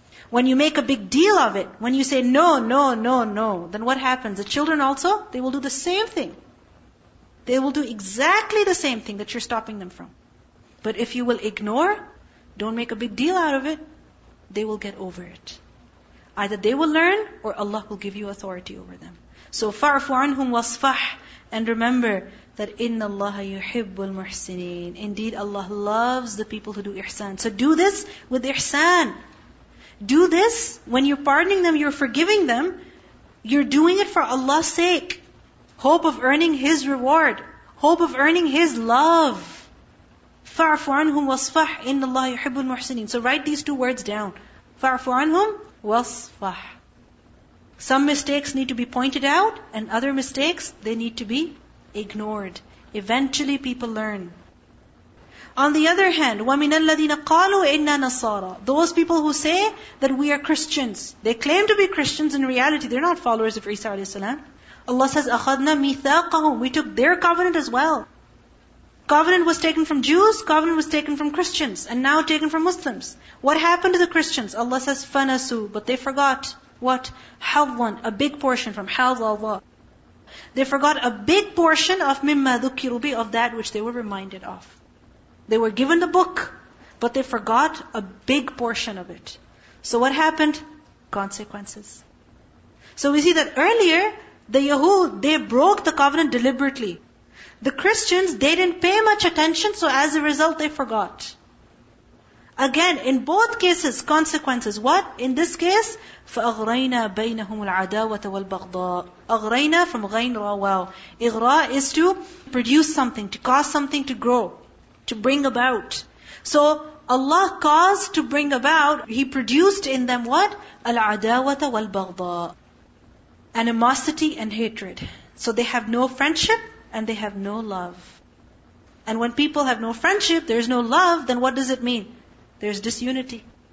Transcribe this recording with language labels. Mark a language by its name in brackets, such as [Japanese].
[English] When you make a big deal of it, when you say no, no, no, no, then what happens? The children also, they will do the same thing. They will do exactly the same thing that you're stopping them from. But if you will ignore, don't make a big deal out of it, they will get over it. Either they will learn, or Allah will give you authority over them. So, [Arabic] فَعْفُ عَنْهُمْ وَاصْفَحْ. [English] And remember that [Arabic] إِنَّ اللَّهَ يُحِبُّ الْمُحْسِنِينَ. [English] Indeed, Allah loves the people who do ihsan. So do this with ihsan. Do this when you're pardoning them, you're forgiving them, you're doing it for Allah's sake. Hope of earning His reward. Hope of earning His love. [Arabic] فَعْفُ عَنْهُمْ وَاصْفَحْ. إِنَّ اللَّهَ يُحِبُّ الْمُحْسِنِينَ. [English] So write these two words down. [Arabic] فَعْفُ عَنْهُمْ وَاصْفَحْ. [English] Some mistakes need to be pointed out, and other mistakes, they need to be ignored. Eventually people learn. On the other hand, [Arabic] وَمِنَ الَّذِينَ قَالُوا إِنَّا نَصَارَى. [English] Those people who say that we are Christians. They claim to be Christians, in reality they're not followers of Isa alayhi salam. Allah says, [Arabic] أَخَذْنَا مِيثَاقَهُمْ. [English] We took their covenant as well. Covenant was taken from Jews, covenant was taken from Christians, and now taken from Muslims. What happened to the Christians? Allah says, فَنَسُوا. But they forgot what? حَظًا. A big portion from [Arabic] حَظَ اللَّهُ. [English] They forgot a big portion of [Arabic] مِمَّا ذُكِّرُوا بِهِ, [English] of that which they were reminded of. They were given the book, but they forgot a big portion of it. So what happened? Consequences. So we see that earlier, the Yahud, they broke the covenant deliberately. The Christians, they didn't pay much attention, so as a result, they forgot. Again, in both cases, consequences. What? In this case, [Arabic] فَأَغْرَيْنَا بَيْنَهُمُ الْعَدَاوَةَ وَالْبَغْضَاءِ. أَغْرَيْنَا [English] from [Arabic] غَيْن رَوَاوَ. [English] إِغْرَاء is to produce something, to cause something to grow, to bring about. So, Allah caused to bring about, He produced in them what? [Arabic] الْعَدَاوَةَ وَالْبَغْضَاءِ. [English] Animosity and hatred. So they have no friendship and they have no love. And when people have no friendship, there's no love, then what does it mean? There's disunity.